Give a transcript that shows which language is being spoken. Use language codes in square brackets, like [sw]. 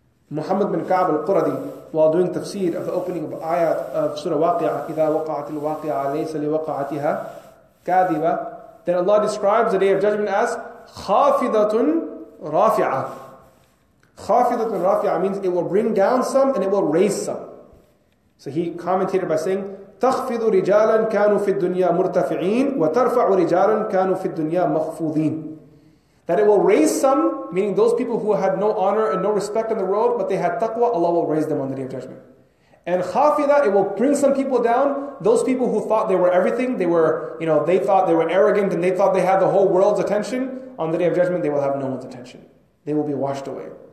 [en] Muhammad bin Ka'b al-Quradi, while doing tafsir of the opening of ayat of Surah Waqi'ah, [ar] إِذَا وَقَعَتِ الْوَاقِعَةِ لَيْسَ لِوَقَعَتِهَا كَاذِبَةً, [en] then Allah describes the Day of Judgment as [ar] خَافِضَةٌ رَافِعَةٌ. خَافِضَةٌ رَافِعَةٌ [en] means it will bring down some and it will raise some. So he commentated by saying, [ar] تَخْفِضُ رِجَالًا كَانُوا فِي الدُّنْيَا مُرْتَفِعِينَ وَتَرْفَعُ رِجَالًا كَانُوا فِي الدُّنْيَا مَخْفُوذِينَ. [en] That it will raise some, meaning those people who had no honor and no respect in the world, but they had taqwa, Allah will raise them on the Day of Judgment. And khafida, it will bring some people down, those people who thought they were everything, they were, you know, they thought they were arrogant and they thought they had the whole world's attention, on the Day of Judgment they will have no one's attention. They will be washed away.